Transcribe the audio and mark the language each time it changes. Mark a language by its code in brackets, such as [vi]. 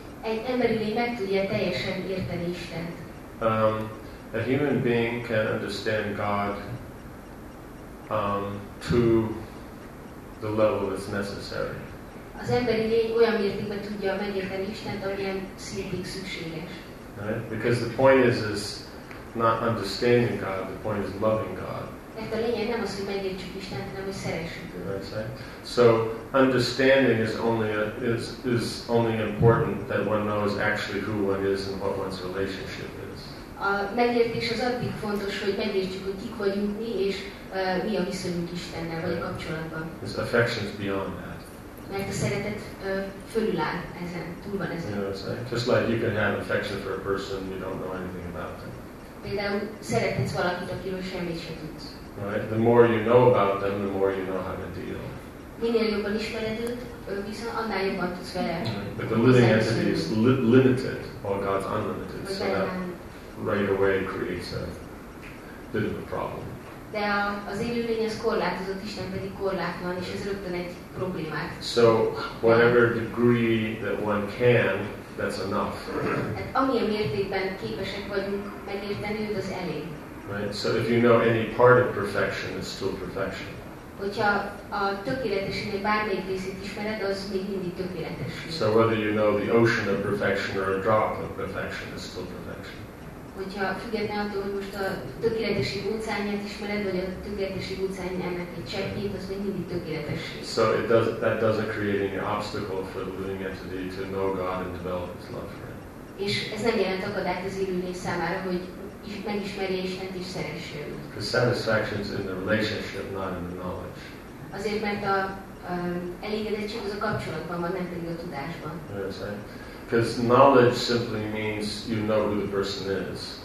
[hu] Egy emberi lény meg tudja teljesen érteni Istent. [en] A human being can understand God to the level that's necessary. [hu] Az emberi lény olyan mértékben tudja megérteni Istent, amilyen szintig szükséges. [en] Right? Because the point is not understanding God, the point is loving God. [hu] Mert a lényeg nem az, hogy megértsük Istent, hanem hogy szeressük őt. [en] That's right. So understanding is only important that one knows actually who one is and what one's relationship is. [hu] A megértés az addig fontos, hogy megértsük, hogy kik vagyunk mi, és mi a viszonyunk Istennel, vagy a kapcsolatban. [en] His affection is beyond that. [hu] Mert a szeretet fölül áll ezen, túl van ezen. [en] You know what I'm saying? Just like you can have affection for a person you don't know anything about them. [hu] Például szeretetsz valakit, akiről semmit sem tudsz. [en] Right? The more you know about them, the more you know how to deal. [hu] Minél jobban ismered őt, viszont annál jobban tudsz vele. [en] But the living entity is limited, or God's unlimited. So that right away creates a bit of a problem. [hu] De az élőlény az korlátozott, Isten pedig korlátlan, és ez rögtön egy problémát. [en] So whatever degree that one can, that's enough. [hu] Hát amilyen mértékben képesek vagyunk megérteni, az elég. [en] Right. So if you know any part of perfection, it's still perfection. [hu] Hogyha a tökéletesen egy bármelyik részét ismered, az még mindig tökéletes. [en] So whether you know the ocean of perfection or a drop of perfection, it's still perfection. [hu] hogyha független attól, hogy most a tökéletesség óceánját ismered, vagy a tökéletesség óceánjának egy cseppjét, az még mindig tökéletesség. [en] So it does, that doesn't create any obstacle for the living entity to know God and develop His love for Him. [hu] És ez nem jelent akadályt az élőlény számára, hogy megismerje Istent és szeresse őt. [en] Because satisfaction is in the relationship, not in the knowledge. [hu] Azért, mert a elégedettség az a kapcsolatban van, nem pedig a tudásban. [en] Because knowledge simply means you know who the person is.